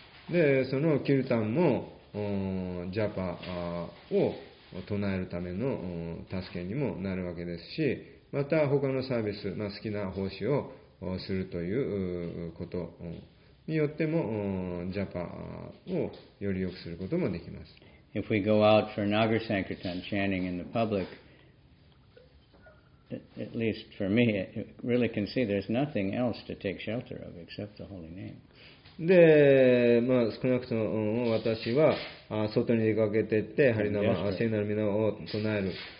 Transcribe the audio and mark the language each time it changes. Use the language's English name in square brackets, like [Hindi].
[Japanese] で、そのキルタンもジャパを唱えるための助けにもなるわけですし。また他のサービス、まあ、好きな奉仕をするということによってもジャパをより良くすることもできます。 [English] If we go out for Nagar Sankirtan chanting in the public, at least for me, I really can see there's nothing else to take shelter of except the holy name. [Japanese] で、まあ、少なくとも私は外に出かけていって、ハリナマ、聖なる皆を唱える。